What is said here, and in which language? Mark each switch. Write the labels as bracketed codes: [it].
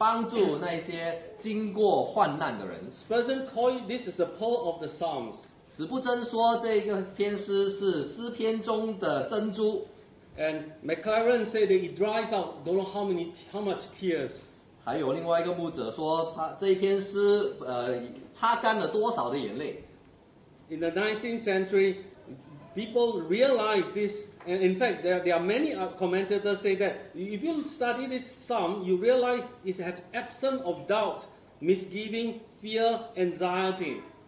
[zh] 有许多这个牧者用这篇诗来帮助那些经过患难的人。 [en] Spurgeon called this is the pearl of the Psalms. [zh] 史布珍说这个篇诗是诗篇中的珍珠。 [en] And McLaren said that it dries out don't know how much tears. [zh] 还有另外一个牧者说他这篇诗擦干了多少的眼泪。 [en] In the 19th century, people realized this. And in fact, there are many commentators say that if you study this psalm, you realize it has absence of doubt, misgiving, fear, anxiety.